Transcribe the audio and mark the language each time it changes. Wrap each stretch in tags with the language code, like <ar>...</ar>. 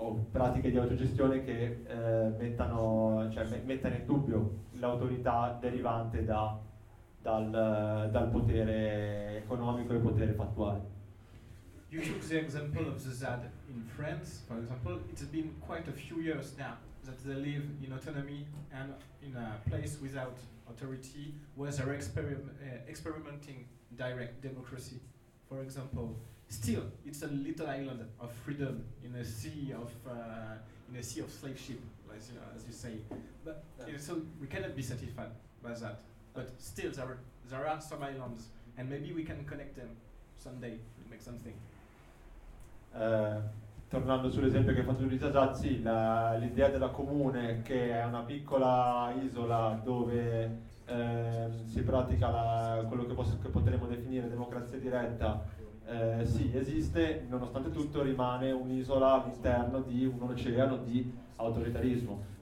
<it>pratiche di autogestione che mettano in dubbio l'autorità derivante dal potere economico e potere fattuale.</it> <en>You took the example of the ZAD in France, for example. It's been quite a few years now that they live in autonomy and in a place without authority, where they're experimenting direct democracy, for example. Still, it's a little island of freedom in a sea of slave ship, as you say. But so we cannot be satisfied by that. But still, there are some islands, and maybe we can connect them someday to make something.</en> <it>Tornando sull'esempio che ha fatto Luisa Zazzi, l'idea della comune, che è una piccola isola dove si pratica quello che potremmo definire democrazia diretta, sì, esiste, nonostante tutto rimane un'isola all'interno di un oceano di autoritarismo.</it>